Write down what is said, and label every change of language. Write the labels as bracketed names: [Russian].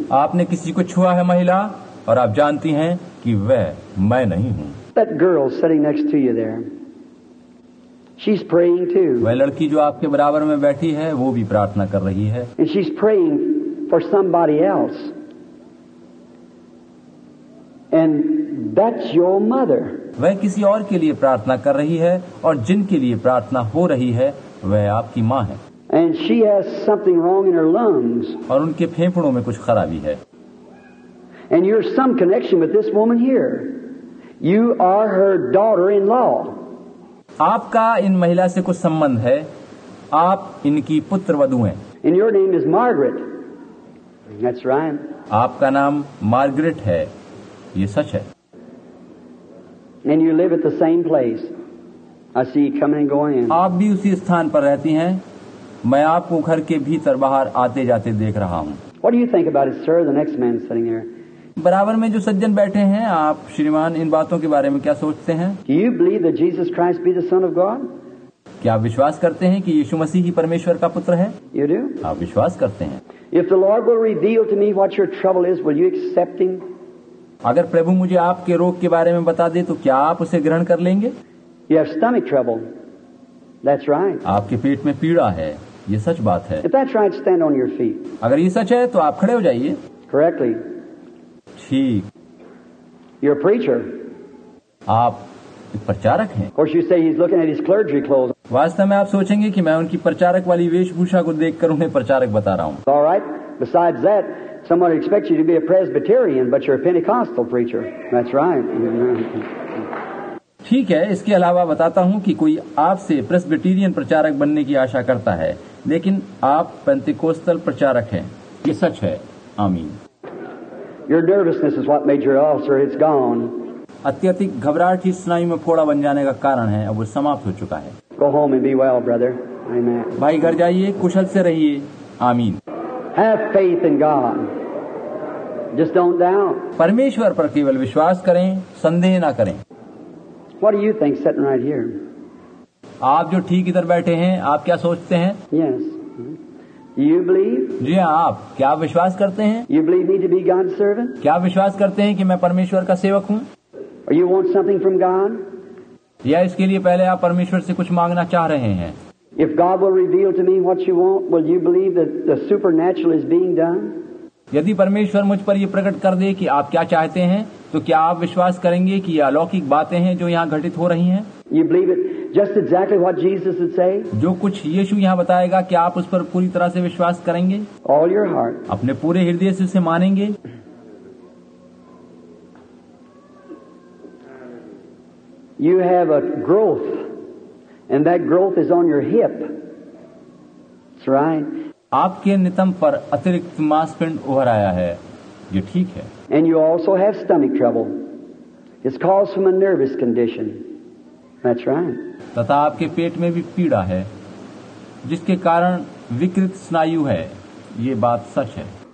[Hindi] आपने किसी को छुआ है महिला, और आप जानती हैं कि वह मैं नहीं हूं. [English] That girl sitting next to you there. She's praying too. [Hindi] वह लड़की जो आपके बराबर में बैठी है, वो भी प्रार्थना कर रही है. [English] And she's praying for somebody else. And that's your mother. [Hindi] वह किसी और के लिए प्रार्थना कर रही है, और जिनके लिए प्रार्थना हो रही है, वह आपकी माँ है. [English] And she has something wrong in her lungs. [Hindi] और उनके फेफड़ों में कुछ खराबी है. [English] And you're some connection with this woman here. You are her daughter-in-law. [Hindi] आपका इन महिला से कुछ संबंध है. आप इनकी पुत्रवधू हैं. [English] And your name is Margaret. That's right. [Hindi] आपका नाम मार्गरेट है. ये सच है. [English] And you live at the same place. I see you coming and going. [Hindi] आप भी उसी स्थान पर रहती हैं. मैं आपको घर के भीतर बाहर आते जाते देख रहा हूँ. [English] What do you think about it, sir? The next man sitting here. [Hindi] बराबर में जो सज्जन बैठे हैं, आप श्रीमान इन बातों के बारे में क्या सोचते हैं? [English] Do you believe that Jesus Christ be the Son of God? [Hindi] क्या आप विश्वास करते हैं कि यीशु मसीह ही परमेश्वर का पुत्र है? [English] You do? [Hindi] आप विश्वास करते हैं? [English] If the Lord will reveal to me what your trouble is, will you accept Him? [Hindi] अगर प्रभु मुझे आपके रोग के बारे में बता दे, तो क्या आप उसे ग्रहण कर लेंगे? [English] You have stomach trouble. That's right. [Hindi] आपके पेट में पीड़ा है, ये सच बात है. [English] If that's right, stand on your feet. [Hindi] अगर ये सच है, तो आप खड़े हो जाइए. [English] Correctly. [Hindi] ठीक. [English] You're a preacher. [Hindi] आप एक प्रचारक हैं. [English] Of course, you say he's looking at his clergy clothes. [Hindi] वास्तव में आप सोचेंगे कि मैं उनकी प्रचारक वाली वेशभूषा को देखकर उन्हें प्रचारक बता रहा हूँ. [English] All right. Besides that, someone expects you to be a Presbyterian, but you're a Pentecostal preacher. That's right. [Hindi] ठीक है, इसके अलावा बताता हूँ कि कोई आपसे प्रेस्बिटेरियन प्रचारक बनने की आशा करता है, लेकिन आप पेंटिकोस्टल प्रचारक हैं. ये सच है. आमीन. [English] Your nervousness is what made your ulcer. It's gone. [Hindi] अत्यधिक घबराहट ही स्नायु में फोड़ा बन जाने का कारण है. अब वो समाप्त हो चुका है. [English] Go home and be well, brother. Amen. [Hindi] भाई घर जाइए, कुशल से रहिए. आमीन. [English] Have faith in God. Just don't doubt. [Hindi] परमेश्वर पर केवल विश्वास करें, संदेह ना करें. [English] What do you think sitting right here? [Hindi] आप जो ठीक इधर बैठे हैं, आप क्या सोचते हैं? [English] Yes. You believe? [Hindi] जी हाँ, आप क्या आप विश्वास करते हैं? [English] You believe me to be God's servant? [Hindi] क्या आप विश्वास करते हैं कि मैं परमेश्वर का सेवक हूँ? [English] Or you want something from God? [Hindi] या इसके लिए पहले आप परमेश्वर से कुछ मांगना चाह रहे हैं? [English] If God will reveal to me what you want, will you believe that the supernatural is being done? [Hindi] यदि परमेश्वर मुझ पर ये प्रकट कर दे कि आप क्या चाहते हैं, तो क्या आप विश्वास करेंगे कि ये अलौकिक बातें हैं जो यहाँ घटित हो रही हैं? [English] You believe it just exactly what Jesus would say? [Hindi] जो कुछ यीशु यहाँ बताएगा, क्या आप उस पर पूरी तरह से विश्वास करेंगे? [English] All your heart. [Hindi] अपने पूरे हृदय से उसे मानेंगे? [English] You have a growth, and that growth is on your hip. That's right. [Hindi] आपके नितंब पर अतिरिक्त मांसपिंड उभर आया है, ये ठीक है. [English] And you also have stomach trouble. It's caused from a nervous condition. That's right. [Hindi] तथा आपके पेट में भी पीड़ा है, जिसके कारण विकृत स्नायु है, ये बात सच है.